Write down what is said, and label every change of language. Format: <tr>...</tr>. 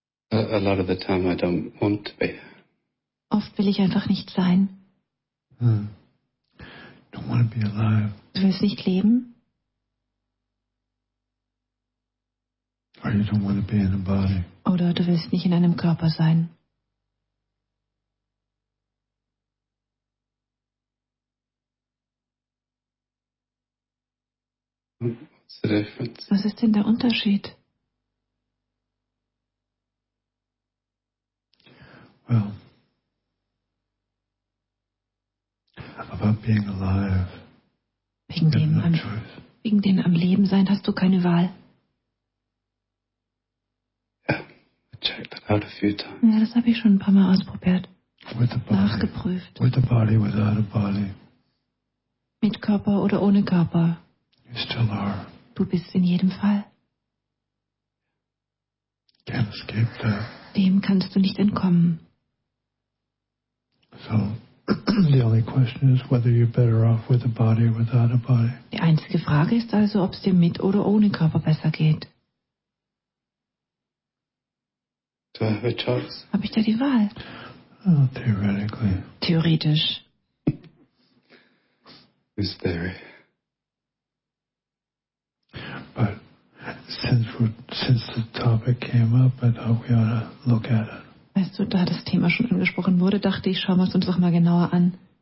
<en>A lot of the time I don't want to be.</en> <de>Oft will ich einfach nicht sein.</de> <en>Don't want to be alive.</en> <de>Du willst nicht leben?</de> <en>Or you don't want to be in a body.</en> <de>Oder du willst nicht in einem Körper sein.</de> <en>What's the difference?</en> <de>Was ist denn der Unterschied?</de> <en>Well, about being alive,</en> <de>wegen dem am Leben sein hast du keine Wahl.</de> <en>Yeah, I checked it out a few times.</en> <de>Ja, das habe ich schon ein paar Mal ausprobiert.</de> <en>With the body,</en> <de>nachgeprüft.</de> <en>With a body, without a body.</en> <de>Mit Körper oder ohne Körper.</de> <en>You still are.</en> <de>Du bist in jedem Fall.</de> <en>Can't escape that.</en> <de>Dem kannst du nicht entkommen.</de> <en>So, the only question is whether you're better off with a body or without a body.</en> <de>Die einzige Frage ist also, ob es dir mit oder ohne Körper besser geht.</de> <en>Do I have a choice?</en> <de>Habe ich da die Wahl?</de> <en>Oh, theoretically.</en> <de>Theoretisch.</de> <en>Is there? But since the topic came up, I thought we ought to look at it.</en> <de>Weißt du, da das Thema schon angesprochen wurde, dachte ich, schauen wir es uns doch mal genauer an.</de>